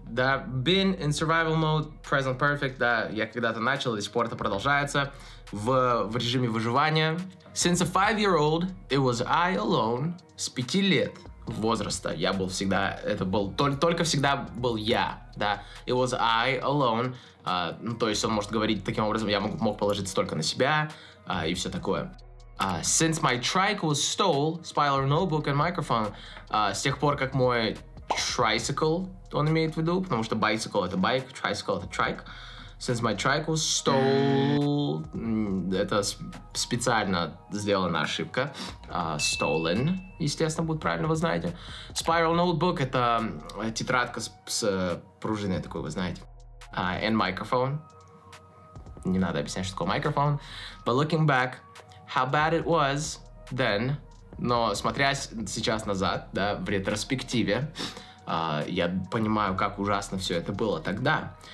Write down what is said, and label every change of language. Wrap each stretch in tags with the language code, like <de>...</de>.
<en>Да, been in survival mode, present perfect.</en> <ru>Да, я когда-то начал, до сих пор это продолжается. В режиме выживания.</ru> <en>Since a 5-year-old, it was I alone.</en> <ru>С 5 лет возраста я был всегда, это был, только всегда был я, да.</ru> <en>It was I alone.</en> <ru>Ну, то есть он может говорить таким образом, я мог положиться только на себя, и все такое.</ru> <en>Since my trike was stole, spiral notebook and microphone.</en> <ru>С тех пор, как мой tricycle, он имеет в виду, потому что bicycle — это bike, tricycle — это trike.</ru> <en>Since my trike was stole,</en> <ru>это специально сделана ошибка. Stolen, естественно, будет правильно, вы знаете.</ru> <en>Spiral notebook</en> <ru>— это тетрадка с пружиной такой, вы знаете.</ru> <en>And microphone.</en> <ru>Не надо объяснять, что такое microphone.</ru> <en>But looking back, how bad it was then.</en> <ru>Но смотря сейчас назад, да, в ретроспективе, я понимаю, как ужасно все это было тогда.</ru>